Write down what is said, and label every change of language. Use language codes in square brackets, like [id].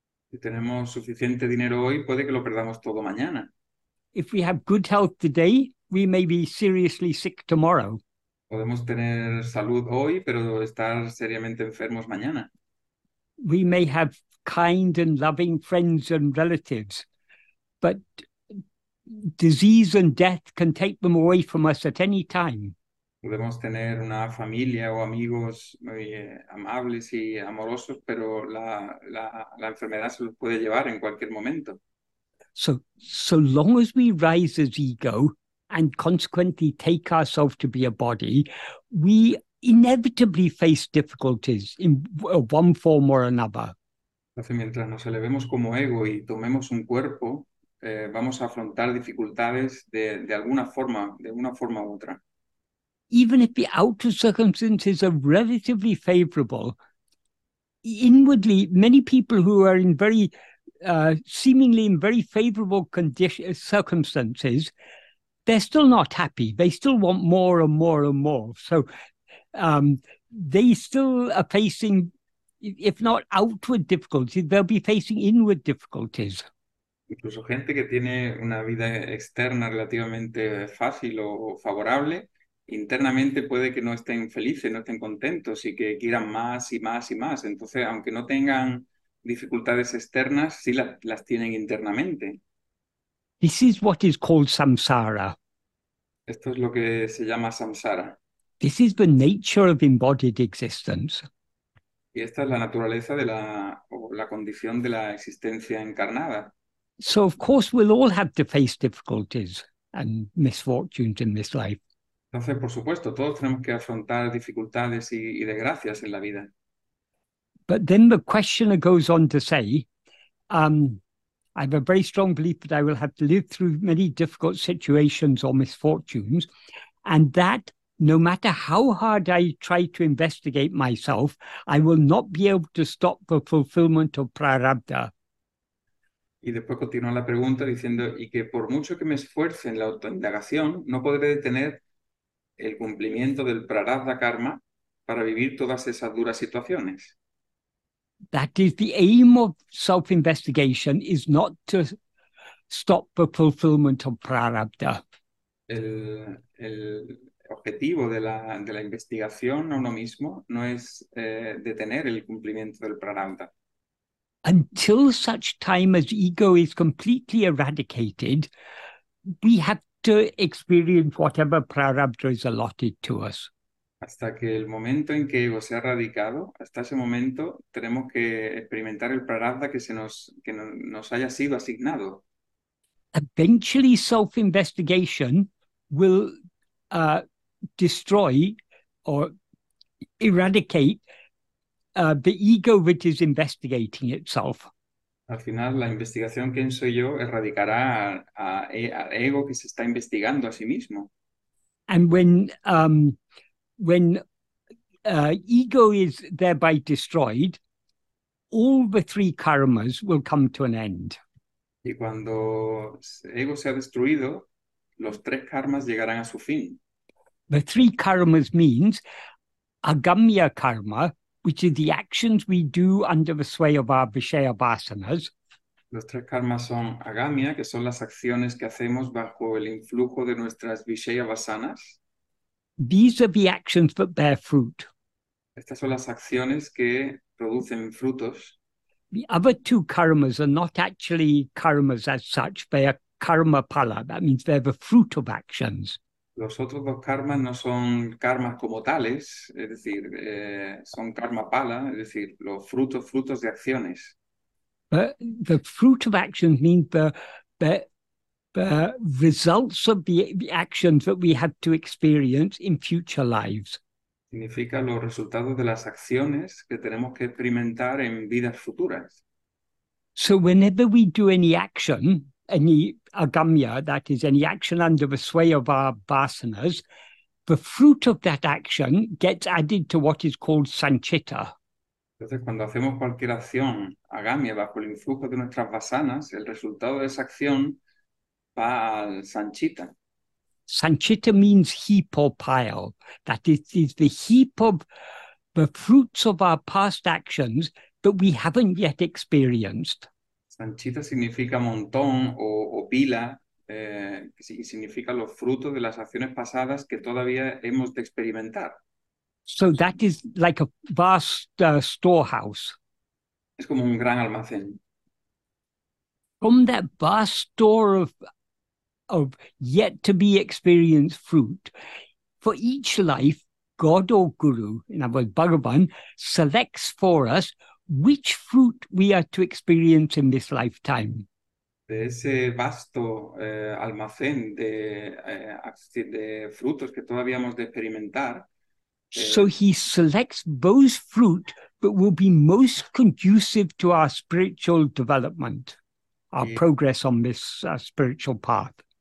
[es] Si tenemos suficiente dinero hoy, puede que lo perdamos todo mañana. [en] If we have good health today, we may be seriously sick tomorrow. [es] Podemos tener salud hoy, pero estar seriamente enfermos mañana. [en] We may have kind and loving friends and relatives, but disease and death can take them away from us at any time. [es] Podemos tener una familia o amigos muy amables y amorosos, pero la enfermedad se los puede llevar en cualquier momento. [en] So long as we rise as ego and consequently take ourselves to be a body, we inevitably face difficulties in one form or another. [es] Entonces, mientras nos elevemos como ego y tomemos un cuerpo, vamos a afrontar dificultades de alguna forma u otra. [en] Even if the outer circumstances are relatively favorable, inwardly, many people who are in very, seemingly in very favorable circumstances, they're still not happy. They still want more and more and more. So they still are facing, if not outward difficulties, they'll be facing inward difficulties. [es] Incluso gente que tiene una vida externa relativamente fácil o favorable, internamente puede que no estén felices, no estén contentos y que quieran más y más y más. Entonces, aunque no tengan dificultades externas, sí las tienen internamente. [en] This is what is called samsara. [es] Esto es lo que se llama samsara. [en] This is the nature of embodied existence. [es] Y esta es la naturaleza o la condición de la existencia encarnada. [en] So of course we'll all have to face difficulties and misfortunes in this life. [es] Entonces, por supuesto, todos tenemos que afrontar dificultades y desgracias en la vida. [en] But then the questioner goes on to say, I have a very strong belief that I will have to live through many difficult situations or misfortunes, and that no matter how hard I try to investigate myself, I will not be able to stop the fulfillment of prarabdha. [es] Y después continúa la pregunta diciendo, y que por mucho que me esfuerce en la autoindagación, no podré detener el cumplimiento del prarabdha karma para vivir todas esas duras situaciones. [en] That is, the aim of self-investigation is not to stop the fulfillment of prarabdha. [es] El objetivo de la investigación a uno mismo no es detener el cumplimiento del prarabdha. [en] Until such time as ego is completely eradicated, we have to experience whatever prarabdha is allotted to us. [es] Hasta que el momento en que ego sea erradicado, hasta ese momento tenemos que experimentar el prarabdha que nos haya sido asignado. [en] Eventually, self-investigation will destroy or eradicate the ego that is investigating itself. [es] Al final, la investigación, ¿quién soy yo?, erradicará al ego que se está investigando a sí mismo. [en] And when ego is thereby destroyed, all the three karmas will come to an end. [es] Y cuando ego se ha destruido, los tres karmas llegarán a su fin. [en] The three karmas means agamya karma, which is the actions we do under the sway of our vishaya vasanas. [es] Los tres karmas son agamya, que son las acciones que hacemos bajo el influjo de nuestras vishaya vasanas. [en] These are the actions that bear fruit. [es] Estas son las acciones que producen frutos. [en] The other two karmas are not actually karmas as such. They are karma pala. That means they're the fruit of actions. [es] Los otros dos karmas no son karmas como tales, es decir, son karma pala, es decir, los frutos de acciones. [en] The fruit of actions means the results of the actions that we have to experience in future lives. [es] Significa los resultados de las acciones que tenemos que experimentar en vidas futuras. [en] So whenever we do any action, any agamya, that is any action under the sway of our vasanas, the fruit of that action gets added to what is called sanchitta. [es] Entonces, cuando hacemos cualquier acción agamya bajo el influjo de nuestras vasanas, el resultado de esa acción va al sanchitta. [en] Sanchitta means heap or pile. That is the heap of the fruits of our past actions that we haven't yet experienced. [es] Sanchitta significa montón o pila, y significa los frutos de las acciones pasadas que todavía hemos de experimentar. [en] So that is like a vast storehouse. [es] Es como un gran almacén. [en] From that vast store of yet to be experienced fruit, for each life, God or Guru, in other words, Bhagavan, selects for us which fruit we are to experience in this lifetime. [es] De ese vasto almacén de frutos que todavía hemos de experimentar. [en] So he selects those fruit that will be most conducive to our spiritual development, our progress on this spiritual path.